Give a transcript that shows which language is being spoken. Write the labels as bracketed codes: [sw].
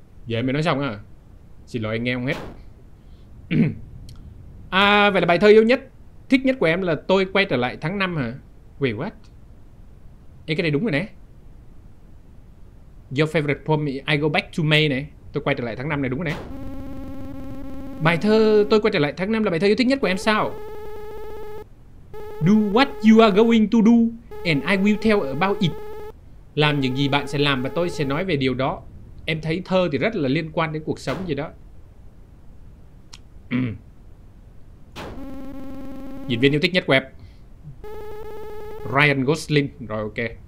[vi] Vậy mới nói xong à. Xin lỗi anh nghe không hết. À vậy là bài thơ yêu nhất thích nhất của em là Tôi quay trở lại tháng 5 hả? [en] Wait what? [vi] Ê cái này đúng rồi nè. [en] Your favorite poem I go back to May này. [vi] Tôi quay trở lại tháng 5 này đúng rồi nè. Bài thơ Tôi quay trở lại tháng 5 là bài thơ yêu thích nhất của em sao? [en] Do what you are going to do, and I will tell about it. [vi] Làm những gì bạn sẽ làm và tôi sẽ nói về điều đó. Em thấy thơ thì rất là liên quan đến cuộc sống gì đó. Diễn viên yêu thích nhất của em, Ryan Gosling. Rồi ok.